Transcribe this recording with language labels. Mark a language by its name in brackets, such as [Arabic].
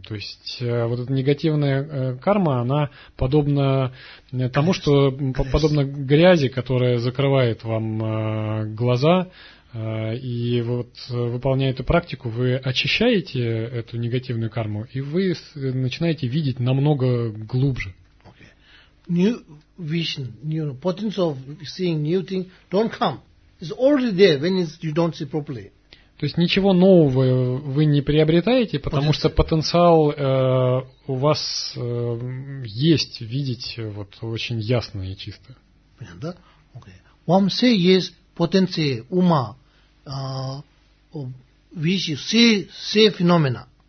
[Russian] То есть вот эта негативная карма, она подобна тому, что подобна грязи, которая закрывает вам глаза. И вот, выполняя эту практику, вы очищаете эту негативную карму, и вы начинаете видеть намного глубже. [English] New vision, new potential of seeing new thing don't come. It's already there when it's, you don't see properly. [Russian] То есть ничего нового вы не приобретаете, потому что потенциал у вас есть видеть вот очень ясно и чисто. Понятно, да? Okay. Вам все есть потенция ума, вещи, все феномена.